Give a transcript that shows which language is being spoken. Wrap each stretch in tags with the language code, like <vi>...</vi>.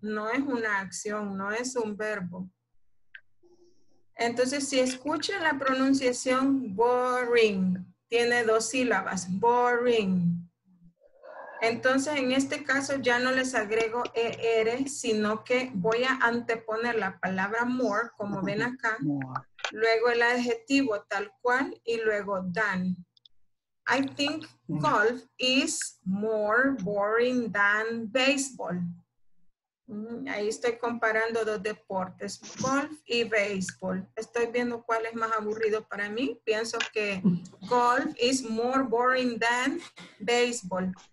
<es>No es una acción, no es un verbo. Entonces, si escuchan la pronunciación boring, tiene dos sílabas, boring. Entonces, en este caso ya no les agrego er, sino que voy a anteponer la palabra more, como ven acá. Luego el adjetivo tal cual y luego than.</es> <en>I think golf is more boring than baseball.</en> <es>Ahí estoy comparando dos deportes, golf y baseball. Estoy viendo cuál es más aburrido para mí. Pienso que</es> <en>golf is more boring than baseball.</en>